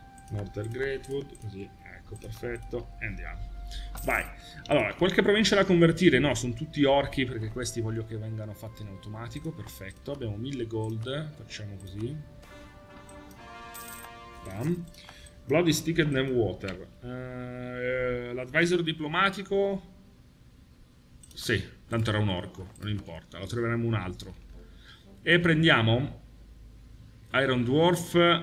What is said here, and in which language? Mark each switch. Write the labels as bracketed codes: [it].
[it] Northern Greatwood, così, ecco, perfetto, e andiamo. Vai. Allora, qualche provincia da convertire? No, sono tutti orchi, perché questi voglio che vengano fatti in automatico, perfetto. Abbiamo 1000 gold, facciamo così. Bam. [en] Blood is thicker than water. [it] L'advisor diplomatico? Sì, tanto era un orco, non importa, lo troveremo un altro. E prendiamo Iron Dwarf.